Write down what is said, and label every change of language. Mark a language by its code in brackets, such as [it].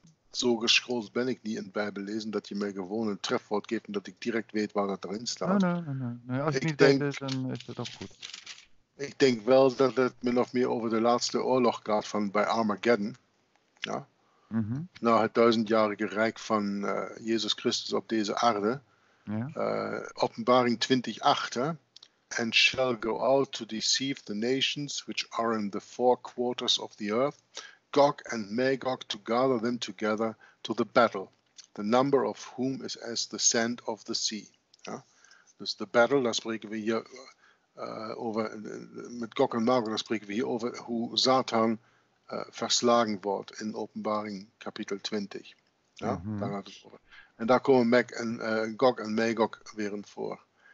[nl] Zo geschoold ben ik niet in het Bijbellezen dat je mij gewoon een trefwoord geeft en dat ik direct weet waar dat erin staat. Nee. Als het niet denk, weet is, dan is dat ook goed. Ik denk wel dat het min of meer over de laatste oorlog gaat van bij Armageddon. Ja? Nou, het duizendjarige rijk van Jezus Christus op deze aarde. Ja. Openbaring 20:8. Hè? [en] And shall go out to deceive the nations which are in the four quarters of the earth, Gog and Magog, to gather them together to the battle, the number of whom is as the sand of the sea. [nl] Ja? Dus de battle, daar spreken we hier over, met Gog en Magog, daar spreken we hier over hoe Satan verslagen wordt in Openbaring kapitel 20. Ja? Daar gaat het over. En daar komen Gog en Magog weer in voor.